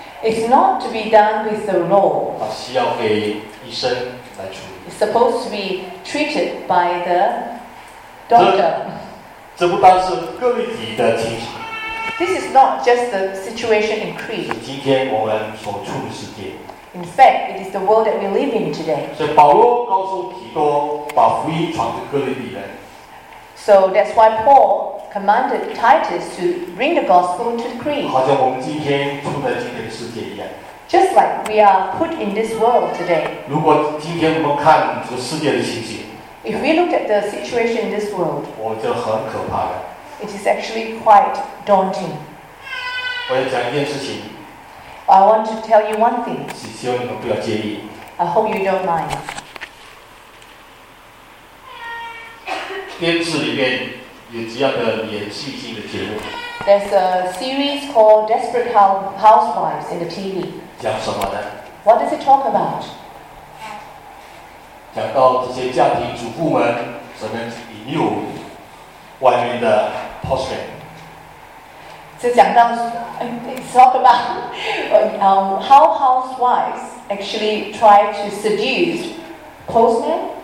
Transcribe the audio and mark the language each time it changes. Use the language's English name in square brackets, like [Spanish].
[English] It's not to be done with the law. [Chinese] 它需要被医生来处理。 [English] It's supposed to be treated by the doctor. [Chinese] 这不单是格雷迪的情形。 [English] This is not just the situation in Crete. [Chinese] 是今天我们所处的世界。 [English] In fact, it is the world that we live in today. [Chinese] 所以保罗告诉提多把福音传给格雷迪人。 [English] So that's why Paul commanded Titus to bring the gospel to the Crete. [Chinese] 好像我们今天处在今天的世界一样。 [English] Just like we are put in this world today. [Chinese] 如果今天我们看这个世界的情形。 [English] If we look at the situation in this world. [Chinese] 我觉得很可怕的。 [English] It is actually quite daunting. [Chinese] 我要讲一件事情。 [English] I want to tell you one thing. [Chinese] 希望你们不要介意。 [English] I hope you don't mind. [Chinese] 电视里面有这样的连续剧的节目。 [English] There's a series called Desperate Housewives in the TV. [Chinese] 讲什么的 [English] ？What does it talk about？ [Chinese] 讲到这些家庭主妇们怎么引诱外面的 postman。是讲到 [English] ，it's talk about how housewives actually try to seduce postman。